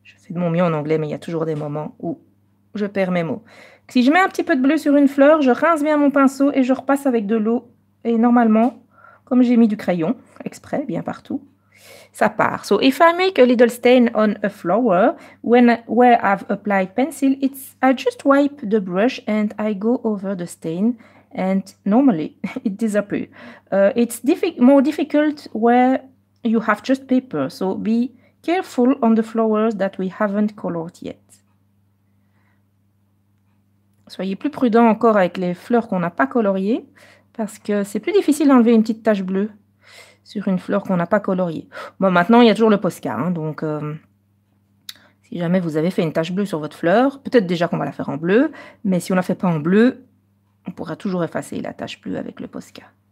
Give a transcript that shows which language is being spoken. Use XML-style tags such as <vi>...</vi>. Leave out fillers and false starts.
<fr>De mon mieux en anglais, mais il y a toujours des moments où je perds mes mots. Si je mets un petit peu de bleu sur une fleur, je rince bien mon pinceau et je repasse avec de l'eau. Et normalement, comme j'ai mis du crayon exprès, bien partout, ça part.</fr> <en>So, if I make a little stain on a flower, where I've applied pencil, I just wipe the brush and I go over the stain and normally it disappears. It's more difficult where you have just paper, so be careful on the flowers that we haven't colored yet.</en> <fr>Soyez plus prudent encore avec les fleurs qu'on n'a pas coloriées, parce que c'est plus difficile d'enlever une petite tache bleue sur une fleur qu'on n'a pas coloriée. Bon, maintenant, il y a toujours le Posca, hein, donc si jamais vous avez fait une tache bleue sur votre fleur, peut-être déjà qu'on va la faire en bleu, mais si on ne la fait pas en bleu, on pourra toujours effacer la tache bleue avec le Posca.</fr>